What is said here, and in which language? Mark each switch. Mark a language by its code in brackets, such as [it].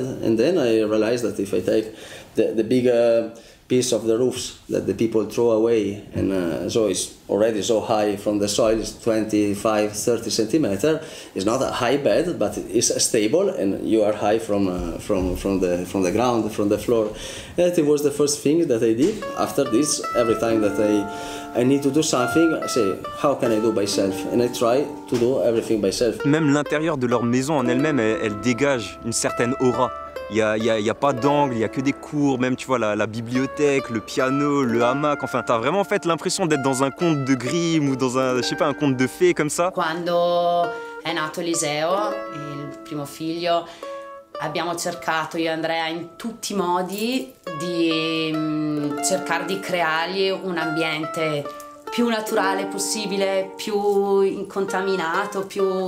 [en] And then I realized that if I take the big piece of the roofs that the people throw away, and so it's already so high from the soil, it's 25, 30 centimeters. It's not a high bed, but it's stable, and you are high from the ground, from the floor. That was the first thing that I did. After this, every time that I need to do something, I say, how can I do myself? And I try to do everything myself. [fr] Même l'intérieur de leur maison en elle-même, elle dégage une certaine aura. Il y a pas d'angle, il y a que des cours, même tu vois la bibliothèque, le piano, le hamac, enfin t'as vraiment en fait l'impression d'être dans un conte de Grimm ou dans un, je sais pas, un conte de fées comme ça. [it] Quando è nato Eliseo, il primo figlio, abbiamo cercato io e Andrea in tutti i modi di cercare di creargli un ambiente più naturale possibile, più incontaminato, più